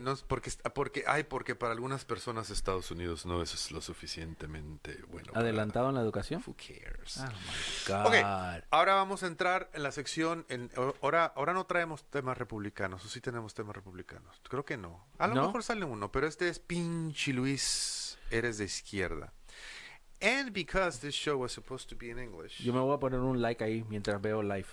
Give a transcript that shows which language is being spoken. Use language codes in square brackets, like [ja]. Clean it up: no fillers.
[es] no es porque, porque, ay, porque para algunas personas Estados Unidos no eso es lo suficientemente bueno. ¿Adelantado para, en la educación? [en] Who cares? Oh, my God. [es] Okay, ahora vamos a entrar en la sección, ahora no traemos temas republicanos, o sí tenemos temas republicanos, creo que no. A lo ¿no? mejor sale uno, pero este es pinche Luis, eres de izquierda. [en] And because this show was supposed to be in English. [es] Yo me voy a poner un like ahí mientras veo live.